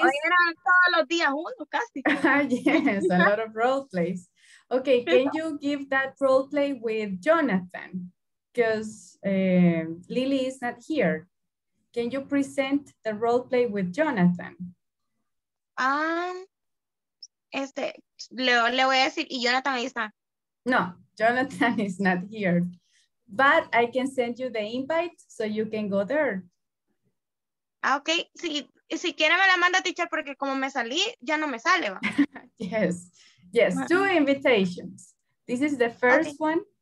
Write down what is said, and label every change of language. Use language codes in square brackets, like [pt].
[es] Hoy eran todos los días uno, casi. [en] Yes, a lot of role plays. Okay, can you give that role play with Jonathan? Because Lily is not here. Can you present the role play with Jonathan? [es] Le voy a decir, y Jonathan ahí está. [en] No, Jonathan is not here. But I can send you the invite so you can go there. [es] Okay, si quiere me la manda, teacher, porque como me salí, ya no me sale. ¿Va? [en] Yes, yes, two invitations. This is the first one.